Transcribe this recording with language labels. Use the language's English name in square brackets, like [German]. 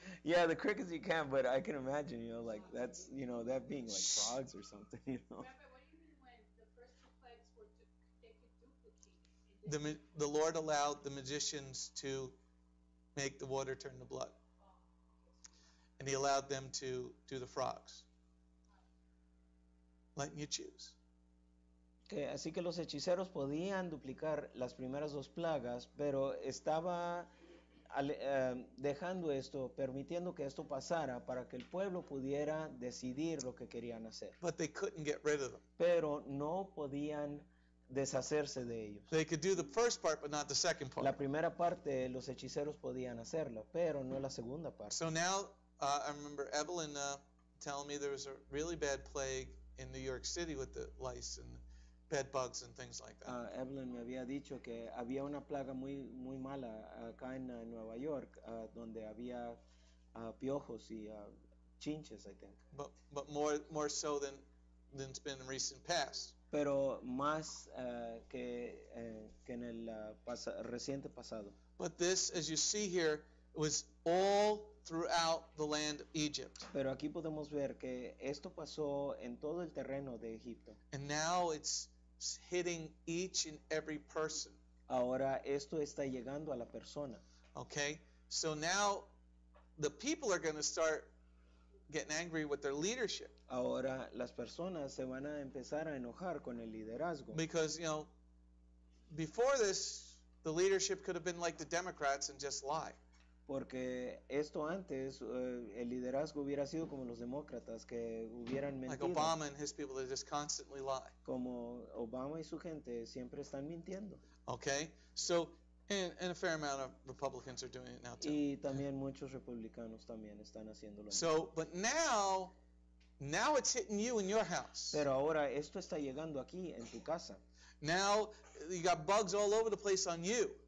[English] Yeah, the crickets you can, but I can imagine, you know, like, that's, you know, that being like frogs or something, you know. Rabbi, what do you mean when the first two plagues were they could duplicate? The Lord allowed the magicians to make the water turn to blood. And he allowed them to do the frogs. Letting you choose. [Spanish] Okay, así que los hechiceros podían duplicar las primeras dos plagas, pero estaba dejando esto, permitiendo que esto pasara para que el pueblo pudiera decidir lo que querían hacer. [English] But they couldn't get rid of them. [Spanish] Pero no podían deshacerse de ellos. [English] They could do the first part, but not the second part. [Spanish] La primera parte los hechiceros podían hacerlo, pero no la segunda parte. [English] So now, I remember Evelyn telling me there was a really bad plague in New York City with the lice and bed bugs and things like that. [Spanish] Evelyn me había dicho que había una plaga muy muy mala acá en Nueva York donde había piojos y chinches, [English] I think. But more so than it's been in recent past. [Spanish] Pero más que en el reciente pasado. [English] But this, as you see here, was all throughout the land of Egypt. [Spanish] Pero aquí podemos ver que esto pasó en todo el terreno de Egipto. [English] And now it's hitting each and every person. [Spanish] Ahora esto está llegando a la persona. [English] Okay, so now the people are going to start getting angry with their leadership. [Spanish] Ahora las personas se van a empezar a enojar con el liderazgo. [English] Because, you know, before this, the leadership could have been like the Democrats and just lie. [Spanish] Porque esto antes, el liderazgo hubiera sido como los demócratas que hubieran mentido. [English] Like Obama and his people, they just constantly lie. [Spanish] Como Obama y su gente siempre están mintiendo. [English] Okay, so, and a fair amount of Republicans are doing it now too. [Spanish] Y también muchos republicanos también están haciéndolo. [English] So, but now it's hitting you in your house. [Spanish] Pero ahora esto está llegando aquí en tu casa. [English] Now, you got bugs all over the place on you.